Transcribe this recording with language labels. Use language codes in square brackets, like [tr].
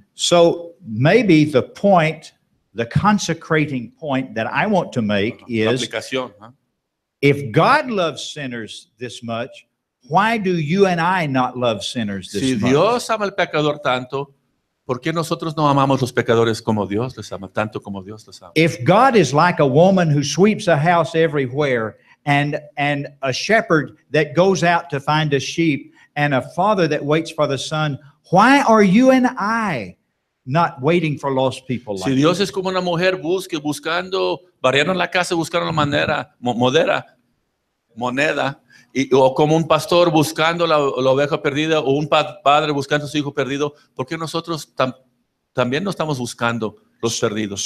[en] So maybe the point, the consecrating point that I want to make is, [es] aplicación, huh? [en] If God loves sinners this much, why do you and I not love sinners this [es] si [en] much? [es] Si Dios ama al pecador tanto, ¿por qué nosotros no amamos los pecadores como Dios les ama, tanto como Dios los ama? [en] If God is like a woman who sweeps a house everywhere and a shepherd that goes out to find a sheep and a father that waits for the son, why are you and I not waiting for lost people like that? [es] Si Dios es como una mujer buscando, barriendo la casa, buscando la moneda, y, o como un pastor buscando la oveja perdida, o un padre buscando a su hijo perdido, ¿por qué nosotros también no estamos buscando los perdidos?